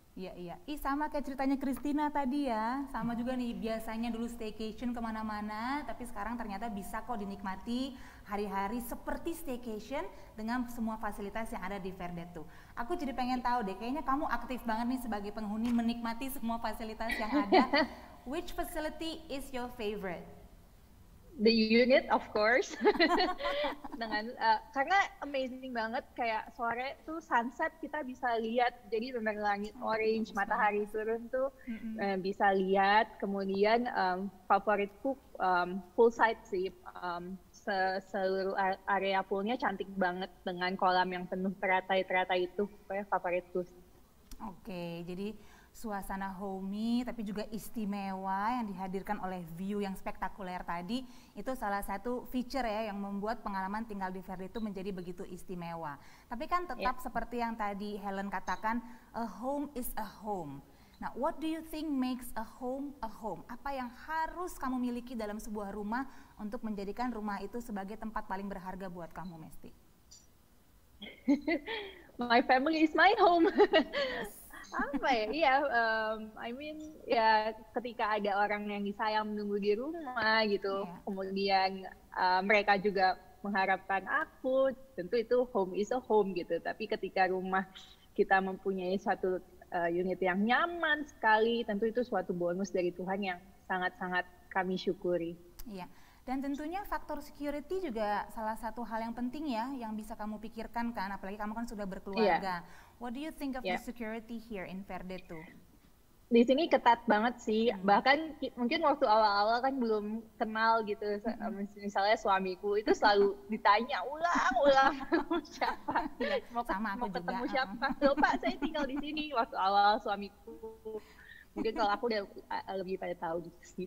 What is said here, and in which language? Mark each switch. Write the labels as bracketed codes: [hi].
[id] Iya. Ih, sama kayak ceritanya Christina tadi ya. Sama juga nih, biasanya dulu staycation kemana-mana, tapi sekarang ternyata bisa kok dinikmati hari-hari seperti staycation dengan semua fasilitas yang ada di Verde tuh. Aku jadi pengen tahu deh, kayaknya kamu aktif banget nih sebagai penghuni menikmati semua fasilitas yang ada. [en] Which facility is your favorite? The unit, of course. [id] Dengan karena amazing banget, kayak sore tuh sunset kita bisa lihat, jadi memang langit orange, matahari turun tuh bisa lihat. Kemudian favoritku pool side sih, seluruh area poolnya cantik banget dengan kolam yang penuh teratai-teratai itu, kayak favoritku. Okay, jadi suasana homey tapi juga istimewa yang dihadirkan oleh view yang spektakuler tadi itu salah satu feature ya yang membuat pengalaman tinggal di Verde itu menjadi begitu istimewa. Tapi kan tetap seperti yang tadi Helen katakan, [en] a home is a home. Nah, what do you think makes a home a home? [id] Apa yang harus kamu miliki dalam sebuah rumah untuk menjadikan rumah itu sebagai tempat paling berharga buat kamu, Mesti? [en] My family is my home. [id] Apa ya? Iya, I mean, ya ketika ada orang yang disayang menunggu di rumah gitu, kemudian mereka juga mengharapkan aku, tentu itu [en] home is a home [id] gitu. Tapi ketika rumah kita mempunyai suatu unit yang nyaman sekali, tentu itu suatu bonus dari Tuhan yang sangat-sangat kami syukuri. Iya, dan tentunya faktor security juga salah satu hal yang penting ya, yang bisa kamu pikirkan kan, apalagi kamu kan sudah berkeluarga. Iya. [en] What do you think of the security here in Verde tuh? [id] Di sini ketat banget sih. Bahkan mungkin waktu awal-awal kan belum kenal gitu. Misalnya suamiku itu selalu ditanya ulang-ulang siapa. Sama aku mau ketemu juga. Siapa? Lupa, saya tinggal di sini waktu awal suamiku. Mungkin kalau aku udah lebih pada tahu sih.